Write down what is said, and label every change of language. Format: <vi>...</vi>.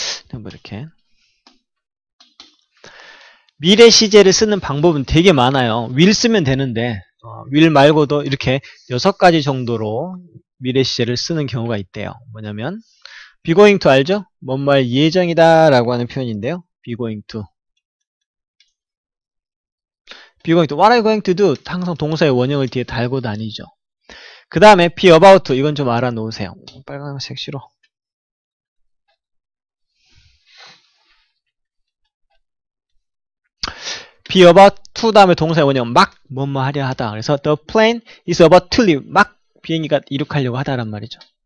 <ko>한번 이렇게 미래 시제를 쓰는 방법은 되게 많아요. will 쓰면 되는데 will 말고도 이렇게 6가지 정도로 미래 시제를 쓰는 경우가 있대요. 뭐냐면 be going to 알죠? 뭔뭐 할 예정이다 라고 하는 표현인데요.</ko> <en>be going to be going to what are you going to do?</en> <ko>항상 동사의 원형을 뒤에 달고 다니죠. 그 다음에 be about to 이건 좀 알아놓으세요. 빨간색 싫어. 'Be about to' 다음에 동사의 원형 막 뭐뭐 하려 하다. 그래서</ko> <en>'The plane is about to leave'</en> <ko>막 비행기가 이륙하려고 하다란 말이죠.</ko>